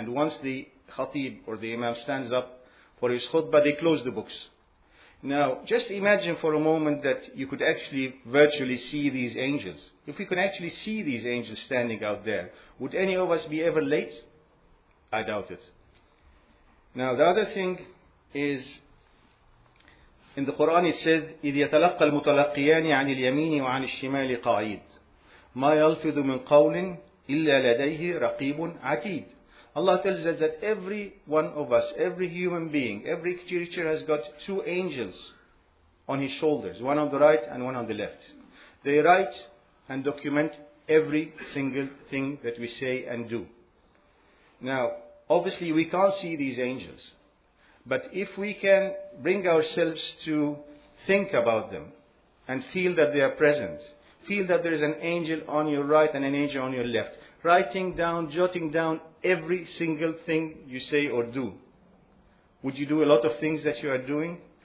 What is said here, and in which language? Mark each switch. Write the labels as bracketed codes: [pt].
[en] And once the khatib or the imam stands up for his khutbah, they close the books. Now, just imagine for a moment that you could actually virtually see these angels. If we could actually see these angels standing out there, would any of us be ever late? I doubt it. Now, the other thing is, in the Quran it says, [ar] إِذْ يَتَلَقَّ الْمُتَلَقِّيَانِ عَنِ الْيَمِينِ وَعَنِ الشِّمَالِ قَعِيدٍ مَا يَلْفِظُ مِنْ قَوْلٍ إِلَّا لَدَيْهِ رَقِيبٌ عَتِيدٌ. [en] Allah tells us that every one of us, every human being, every creature has got two angels on his shoulders, one on the right and one on the left. They write and document every single thing that we say and do. Now, obviously we can't see these angels. But if we can bring ourselves to think about them and feel that they are present, feel that there is an angel on your right and an angel on your left, writing down, jotting down every single thing you say or do, would you do a lot of things that you are doing?